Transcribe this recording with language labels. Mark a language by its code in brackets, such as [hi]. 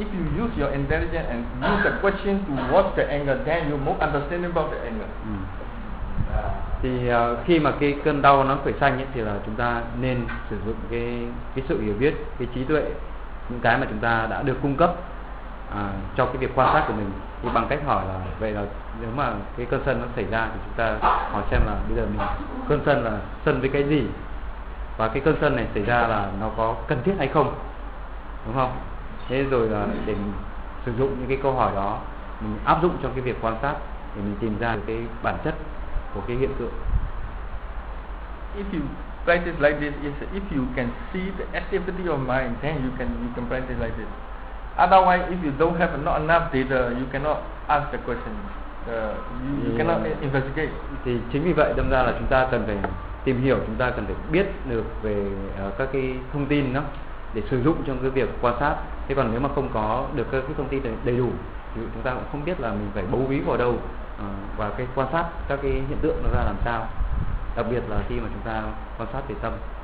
[en] If you use your intelligence and use the question to watch the anger, then you more understanding about the anger. [vi] Thì khi mà cái cơn đau nó khởi sanh thì là chúng ta nên sử dụng cái sự hiểu biết, cái trí tuệ, những cái mà chúng ta đã được cung cấp cho cái việc quan sát của mình. Thì bằng cách hỏi là vậy là nếu mà cái cơn sân nó xảy ra thì chúng ta hỏi xem là bây giờ mình cơn sân là sân với cái gì? Và cái cơn sân này xảy ra là nó có cần thiết hay không, đúng không? Thế rồi là để mình sử dụng những cái câu hỏi đó, mình áp dụng cho cái việc quan sát để mình tìm ra cái bản chất của cái hiện tượng. [en] If you practice like this, if you can see the activity of mind, then you can practice like this. Otherwise, if you don't have not enough data, you cannot ask the question. You cannot investigate. [vi] Thì chính vì vậy đâm ra là chúng ta cần phải tìm hiểu, chúng ta cần phải biết được về các cái thông tin đó để sử dụng trong cái việc quan sát. Thế còn nếu mà không có được các cái thông tin đầy đủ thì chúng ta cũng không biết là mình phải bấu víu vào đâu và cái quan sát các cái hiện tượng nó ra làm sao, đặc biệt là khi mà chúng ta quan sát về tâm.